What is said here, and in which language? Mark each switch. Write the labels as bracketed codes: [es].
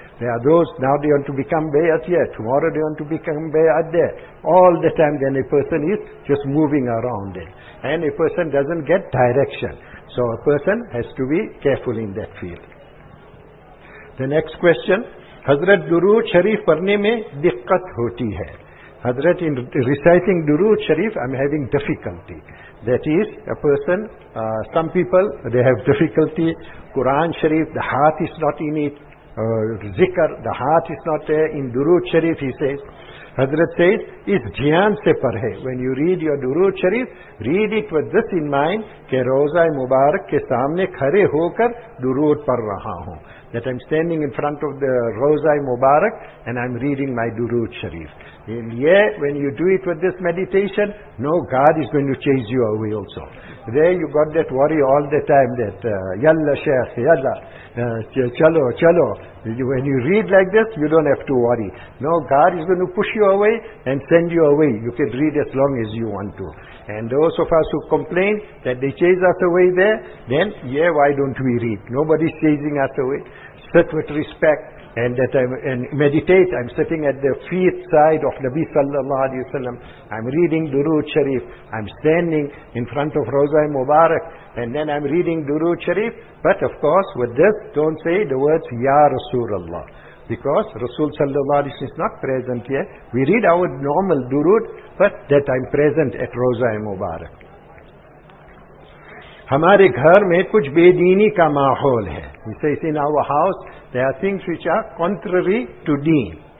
[en] There are those, now they want to become bayat here, tomorrow they want to become bayat there. All the time then a person is just moving around it. And a person doesn't get direction. So a person has to be careful in that field. The next question, [ur] حضرت درود شریف پڑھنے میں دقت ہوتی ہے. [en] حضرت in reciting درود شریف I am having difficulty. That is a person some people they have difficulty. قرآن شریف the heart is not in it. ذکر the heart is not in درود شریف. He says حضرت says [ur] اس دھیان سے پڑھے. [en] when you read your درود شریف read it with this in mind [ur] کہ روزہ مبارک کے سامنے کھڑے ہو کر درود پڑھ رہا ہوں. [en] That I'm standing in front of the Rozai Mubarak and I'm reading my Durood Sharif. And yeah, when you do it with this meditation, no, God is going to chase you away also. There you got that worry all the time that, Yalla Shaykh, Yalla, [ur] Chalo, Chalo. [en] When you read like this, you don't have to worry. No, God is going to push you away and send you away. You can read as long as you want to. And those of us who complain that they chase us away there, then, yeah, why don't we read? Nobody's chasing us away. Sit with respect and that I'm, and meditate. I'm sitting at the feet side of Nabi sallallahu alayhi wa sallam. I'm reading Durood Sharif. I'm standing in front of Rozai Mubarak. And then I'm reading Durood Sharif. But of course, with this, don't say the words, Ya Rasulullah. Because Rasul sallallahu alayhi wa sallam is not present here. We read our normal Durood, but that I'm present at Rozai Mubarak. [ur] ہمارے گھر میں کچھ بے دینی کا ماحول ہے. [en] Says in our house they are things which are contrary to دین.